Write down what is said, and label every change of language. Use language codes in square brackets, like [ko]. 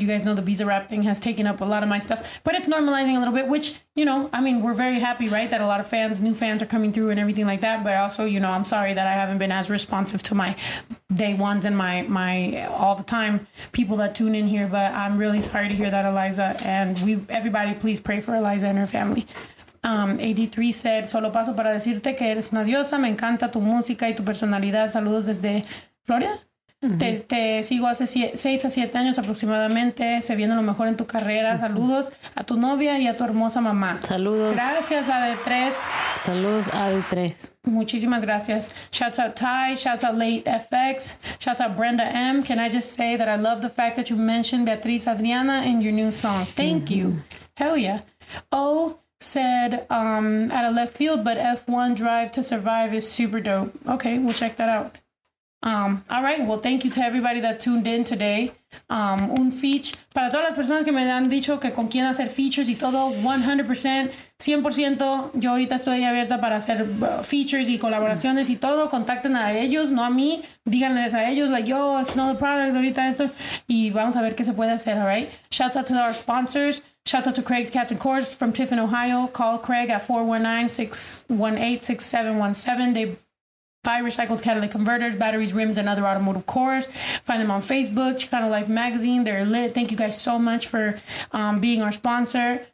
[en] You guys know the Visa Rap thing has taken up a lot of my stuff, but it's normalizing a little bit, which, you know, I mean, we're very happy, right, that a lot of fans, new fans are coming through and everything like that. But also, you know, I'm sorry that I haven't been as responsive to my day ones and my all the time people that tune in here. But I'm really sorry to hear that, Eliza, and everybody please pray for Eliza and her family. [es] AD3 said, solo paso para decirte que eres una diosa, me encanta tu música y tu personalidad, saludos desde Florida. Te sigo hace 6 a 7 años aproximadamente. Se viene lo mejor en tu carrera. Saludos a tu novia y a tu hermosa mamá. Saludos. Gracias, AD3. Saludos, AD3. Muchísimas gracias. [en] Shout out Ty. Shout out Late FX. Shout out Brenda M. Can I just say that I love the fact that you mentioned Beatriz Adriana in your new song. Thank you. Hell yeah. Oh, said out of left field, but F1 Drive to Survive is super dope. Okay, we'll check that out. All right, well, thank you to everybody that tuned in today. [es] un feature. Para todas las personas que me han dicho que con quién hacer features y todo, 100%, 100%, yo ahorita estoy abierta para hacer features y colaboraciones y todo. Contacten a ellos, no a mí. Díganles a ellos, like, yo, [en] it's not the product, [es] ahorita esto. Y vamos a ver qué se puede hacer, [en] all right? Shout out to our sponsors. Shout out to Craig's Cats and Courts from Tiffin, Ohio. Call Craig at 419-618-6717. They buy recycled catalytic converters, batteries, rims, and other automotive cores. Find them on Facebook, Chicano Life Magazine. They're lit. Thank you guys so much for being our sponsor.